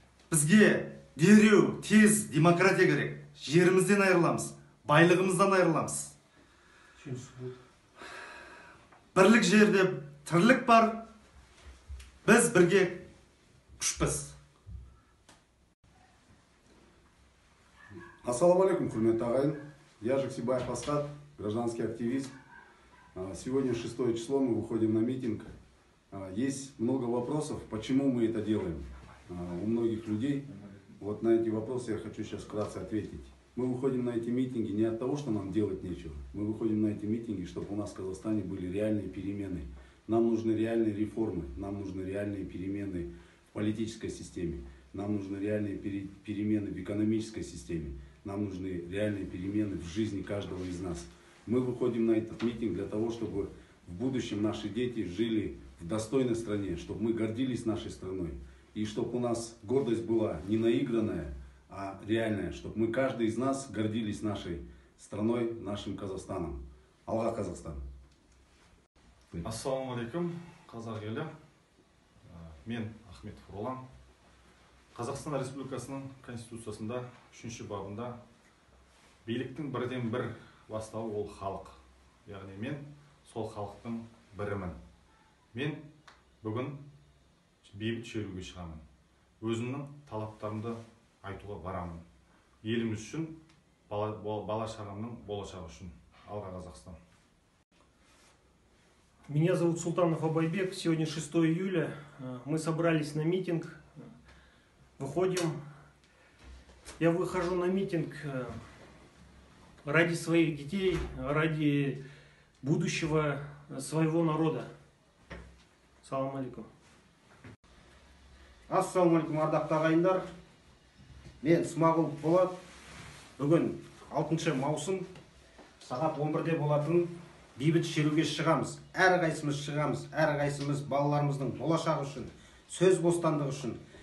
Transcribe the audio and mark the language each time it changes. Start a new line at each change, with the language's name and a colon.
Kazakh: Бізге дереу, тез демократия керек. Жерімізден айырыламыз, байлығымыздан айырыламыз. Бірлік жерде тірлік бар, біз бірге күшпіз. Ассаламу алейкум, құрметті ағайын.
Russian: Я Жексебаев Асхат, гражданский активист. Сегодня 6 число, мы выходим на митинг. Есть много вопросов, почему мы это делаем. У многих людей, вот на эти вопросы я хочу сейчас вкратце ответить. Мы выходим на эти митинги не от того, что нам делать нечего. Мы выходим на эти митинги, чтобы у нас в Казахстане были реальные перемены. Нам нужны реальные реформы, нам нужны реальные перемены в политической системе. Нам нужны реальные перемены в экономической системе. Нам нужны реальные перемены в жизни каждого из нас. Мы выходим на этот митинг для того, чтобы в будущем наши дети жили в достойной стране, чтобы мы гордились нашей страной. И чтобы у нас гордость была не наигранная, а реальная. Чтобы мы, каждый из нас, гордились нашей страной, нашим Казахстаном. Алға, Казахстан!
Kazakh: Ассаламу алейкум, қазақ елі. Мен Ахмет Хуролан. Қазақстан Республикасының конституциясында 3-ші бабында биліктің бірден бір бастауы ол халық. Яғни мен сол халықтың бірімін. Мен бүгін бейбіт шеруге шығамын. Өзімнің талаптарымды айтуға барамын. Еліміз үшін, бала шағамның болашағы үшін. Алға, Қазақстан!
Russian: Меня зовут Султанов Абайбек. Сегодня 6 июля. Мы собрались на митинг. Выходим. Я выхожу на митинг ради своих детей, ради будущего своего народа.
Kazakh: Салам алейкум. Ассаламу алейкум, ардақты ағайындар. Мен Смағұл Болат. Бүгін 6 маусым, сағат 11-де болатын бейбіт шеруге шығамыз. Әр қайсымыз шығамыз. Әр қайсымыз балаларымыздың болашағы үшін, сөз бостандығы үшін.